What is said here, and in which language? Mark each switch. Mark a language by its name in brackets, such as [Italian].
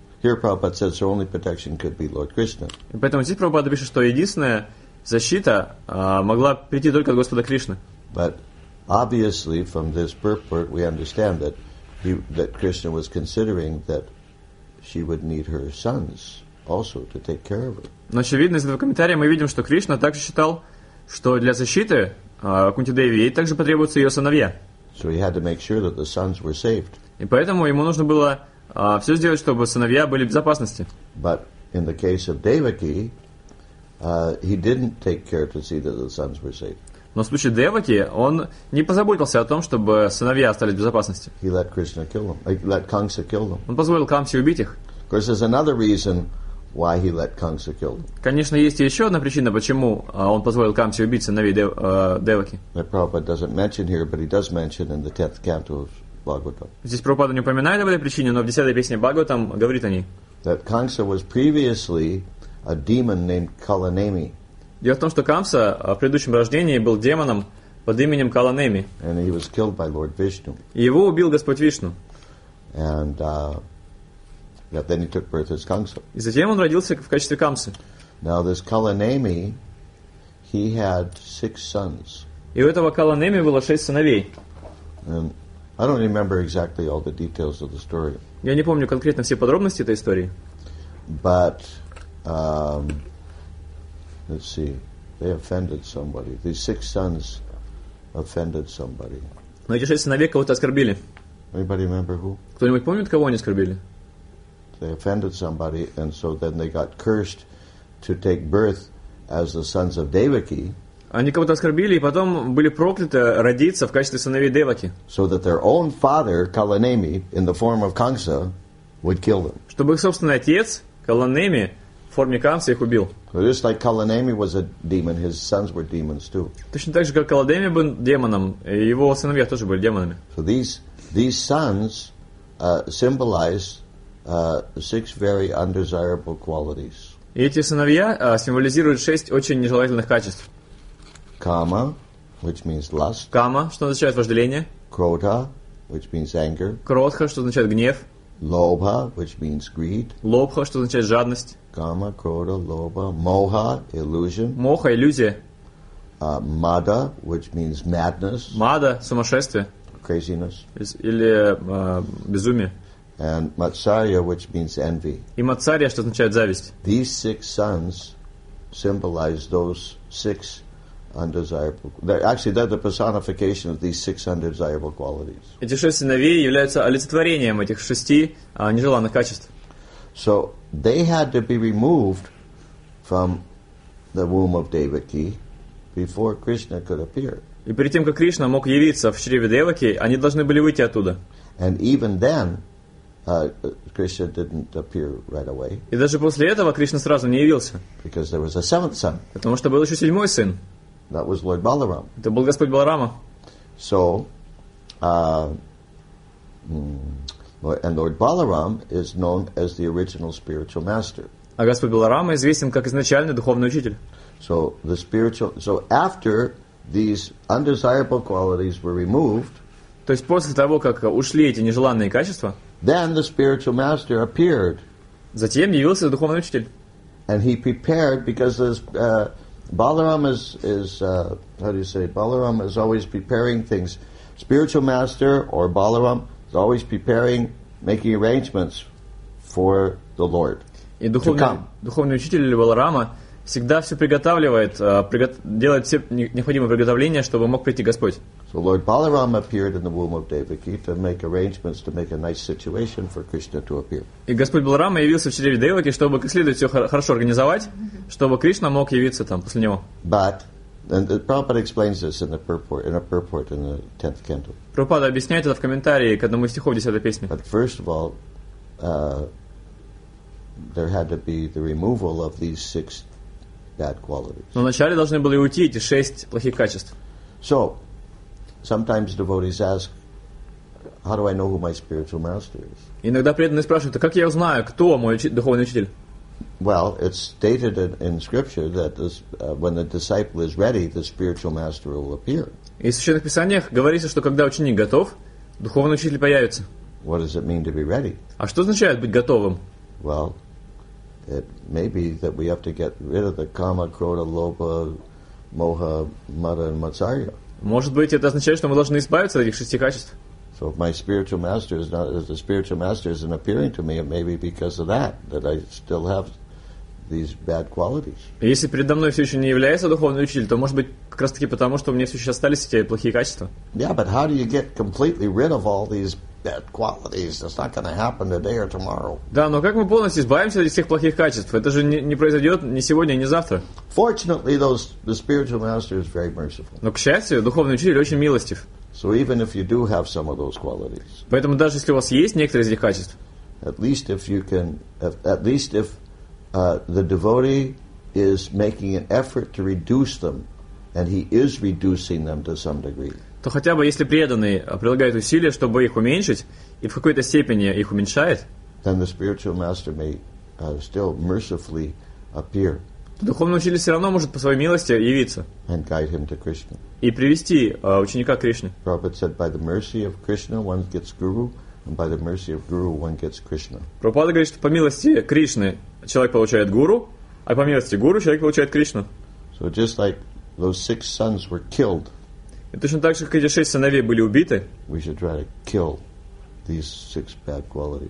[English] Here, Prabhupada says her only protection could be Lord Krishna. [Russian] И поэтому здесь Прабхупада пишет, что единственная защита могла прийти только от Господа Кришны. [English] But obviously, from this purport, we understand that that Krishna was considering that she would need her sons also to take care of her. [Russian] Но очевидно из этого комментария мы видим, что Кришна также считал, что для защиты Кунти Деви ей также потребуются ее сыновья. [English] So he had to make sure that the sons were saved. [Russian] И поэтому ему нужно было все сделать, чтобы сыновья были в безопасности. [English] But in the case of Devaki, he didn't take care to see that the sons were saved. [Russian] Но в случае Девати он не позаботился о том, чтобы сыновья остались в безопасности. [English] He let Krishna kill them. He let Kamsa kill them. [Russian] Он позволил Камсе убить их. [English] Of course, there's another reason why he let Kamsa kill them. [Russian] Конечно, есть еще одна причина, почему он позволил Камсе убить сыновей Деваки. [English] That Prabhupada doesn't mention here, but he does mention in the 10th canto of Bhagavatam. [Russian] Здесь Прабхупада не упоминает об этой причине, но в 10-й песне Бхагаватам говорит о ней. [English] That Kamsa was previously a demon named Kalanemi. [Russian] Дело в том, что Камса в предыдущем рождении был демоном под именем Каланеми. [English] And he was killed by Lord Vishnu. [Russian] И его убил Господь Вишну. [English] And yeah, then he took birth as Kamsa. [Russian] И затем он родился в качестве Камсы. [English] Now this Kalanemi, he had 6 sons. [Russian] И у этого Каланеми было 6 сыновей. [English] And I don't remember exactly all the details of the story. [Russian] Я не помню конкретно все подробности этой истории. [English] But let's see, they offended somebody. These 6 sons offended somebody. [Russian] Но эти 6 сыновей кого-то оскорбили. [English] Anybody remember who? [Russian] Кто-нибудь помнит, кого они оскорбили? [English] They offended somebody, and so then they got cursed to take birth as the sons of Devaki. [Russian] Они кого-то оскорбили, и потом были прокляты родиться в качестве сыновей Деваки. [English] So that their own father, Kalanemi, in the form of Kamsa, would kill them. [Russian] Чтобы их собственный отец, Каланеми, в форме Канса их убил. [English] Just like Kalanemi was a demon, his sons were demons too. [Russian] Точно так же, как Каланеми был демоном, его сыновья тоже были демонами. [English] So these sons symbolize six very undesirable qualities. [Russian] И эти сыновья символизируют шесть очень нежелательных качеств. [English] Kama, which means lust. [Russian] Kama, что означает вожделение. [English] Krodha, which means anger. [Russian] Кротха, что означает гнев. [English] Lobha, which means greed. [Russian] Лобха, что означает жадность. [English] Kama, krodha, lobha. Moha, illusion. [Russian] Моха, иллюзия. [English] Mada, which means madness. [Russian] Mada, сумасшествие. [English] Craziness. [Russian] Или безумие. [English] And matsarya, which means envy. [Russian] И матсарья, что означает зависть. [English] These six sons symbolize those six undesirable. They're the personification of these six undesirable qualities. [Russian] Эти шесть сыновей являются олицетворением этих шести нежеланных качеств. [English] So they had to be removed from the womb of Devaki before Krishna could appear. [Russian] И перед тем, как Кришна мог явиться в чреве Деваки, они должны были выйти оттуда. [English] And even then, Krishna didn't appear right away. [Russian] И даже после этого Кришна сразу не явился. [English] Because there was a seventh son. [Russian] Потому что был еще седьмой сын. [English] That was Lord Balaram. [Russian] Это был Господь Баларама. [English] So, and Lord Balaram is known as the original spiritual master. [Russian] А Господь Баларама известен как изначальный духовный учитель. [English] So the spiritual. So after these undesirable qualities were removed. [Russian] То есть после того, как ушли эти нежеланные качества. [English] Then the spiritual master appeared. [Russian] Затем явился духовный учитель. [English] And he prepared because the Balaram is Balaram is always preparing things. Spiritual master or Balaram is always preparing, making arrangements for the Lord. [Russian] И духовный учитель или Баларама всегда все приготавливает, делает все необходимые приготовления, чтобы мог прийти Господь. [English] So Lord Balaram appeared in the womb of Devaki to make arrangements to make a nice situation for Krishna to appear. [Russian] И Господь Баларама явился в чреве Деваки, чтобы как следует все хорошо организовать, чтобы Кришна мог явиться там после него. [English] But and Prabhupada explains this in the purport, in the 10th canto. [Russian] Прабхупада объясняет это в комментарии к одному из стихов 10-й песни. [English] But first of all, there had to be the removal of these six bad qualities. [Russian] Но вначале должны были уйти эти шесть плохих качеств. [English] So sometimes devotees ask, "How do I know who my spiritual master is?" [Russian] Иногда преданные спрашивают, как я узнаю, кто мой духовный учитель? [English] Well, it's stated in scripture that this, when the disciple is ready, the spiritual master will appear. [Russian] И в священных писаниях говорится, что когда ученик готов, духовный учитель появится. [English] What does it mean to be ready? [Russian] А что означает быть готовым? [English] Well, it may be that we have to get rid of the kama, krodha, lobha, moha, mada, and matsarya. [Russian] Может быть, это означает, что мы должны избавиться от этих шести качеств. [English] So if my spiritual master is not, if the spiritual master isn't appearing to me, it may be because of that, that I still have these bad qualities. [Russian] Если передо мной все еще не является духовный учитель, то может быть как раз таки потому, что у меня все еще остались эти плохие качества. [English] Yeah, but how do you get completely rid of all these bad qualities? That's not going to happen today or tomorrow. [Russian] Да, но как мы полностью избавимся от всех плохих качеств? Это же не произойдет ни сегодня, ни завтра. [English] Fortunately, the spiritual master is very merciful. [Russian] Но к счастью, духовный учитель очень милостив. [English] So even if you do have some of those qualities. [Russian] Поэтому даже если у вас есть некоторые из этих качеств. [English] The devotee is making an effort to reduce them, and he is reducing them to some degree. [Russian] То хотя бы если преданный прилагает усилия, чтобы их уменьшить, и в какой-то степени их уменьшает. [English] Then the spiritual master may still mercifully appear. [Russian] Духовный учитель все равно может по своей милости явиться. [English] And guide him to Krishna. [Russian] И привести ученика к Кришне. [English] Prabhupada said, by the mercy of Krishna, one gets guru. And by the mercy of guru, one gets Krishna. [Russian] Prabhupada говорит, что по милости Кришны человек получает гуру, а по милости гуру человек получает Кришну. [English] So just like those six sons were killed. [Russian] И точно так же, как эти шесть сыновей были убиты. [English] We should try to kill these six bad qualities.